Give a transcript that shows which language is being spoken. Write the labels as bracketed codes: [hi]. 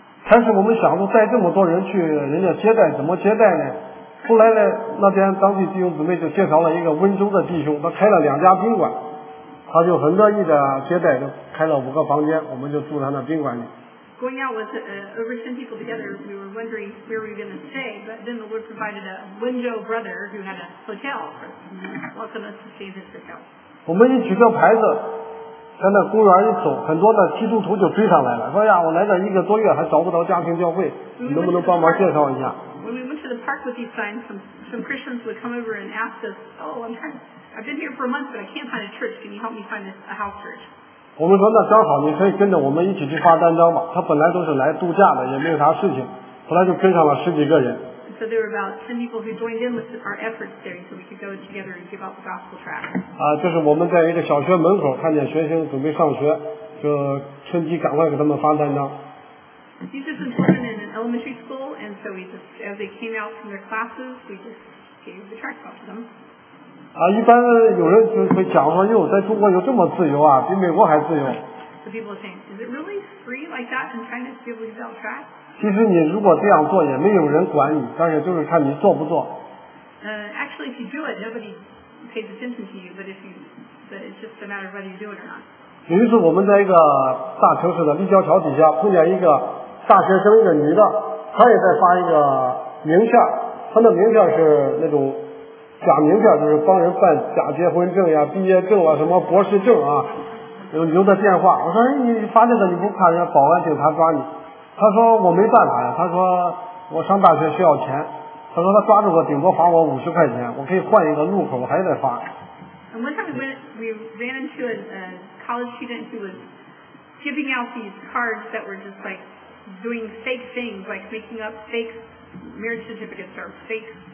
[zh] 但是我们想着带这么多人去，人家接待怎么接待呢？后来呢，那边当地弟兄姊妹就介绍了一个温州的弟兄，他开了两家宾馆。他就很乐意的接待，就开了五个房间，我们就住在那宾馆里。 [en] Going out with over 10 people together, we were wondering where we were going to stay, but then the Lord provided a Wenzhou brother who had a hotel for welcome us to stay in his hotel. [zh] 我们一举个牌子，在那公园一走，很多的基督徒就追上来了，说呀，我来了一个多月还找不着家庭教会，你能不能帮忙介绍一下？ [en] When we went to the park with these signs, some Christians would come over and ask us, I've been here for a month, but I can't find a church. Can you help me find a house church? [zh] 我们说那刚好，你可以跟着我们一起去发单张吧。他本来都是来度假的，也没有啥事情，后来就跟上了十几个人。 [en] So there were about 10 people who joined in with our efforts there, so we could go together and give out the gospel tract. [zh] 就是我们在一个小学门口看见学生准备上学，就趁机赶快给他们发单张。 [en] Jesus was born in an elementary school, and so we just, as they came out from their classes, we just gave the tract out to them. [zh] 一般有人就会讲说，哟，在中国有这么自由啊，比美国还自由。 [en] The people think, is it really free like that in China to be able to sell tracts? [zh] 其实你如果这样做，也没有人管你，但是就是看你做不做。 [en] Actually, if you do it, nobody pays attention to you, but it's just a matter of whether you do it or not. [zh] 有一次我们在一个大城市的立交桥底下碰见一个大学生，一个女的，她也在发一个名片，她的名片是那种。假名片就是帮人办假结婚证呀、毕业证啊、什么博士证啊，留的电话。我说，哎，你发这个你不怕人家保安警察抓你？他说我没办法呀。他说我上大学需要钱。他说他抓住我顶多罚我50块钱，我可以换一个路口，我还得发。 [en] And one time we ran into a college student who was giving out these cards that were just like doing fake things, like making up fake marriage certificates or fake.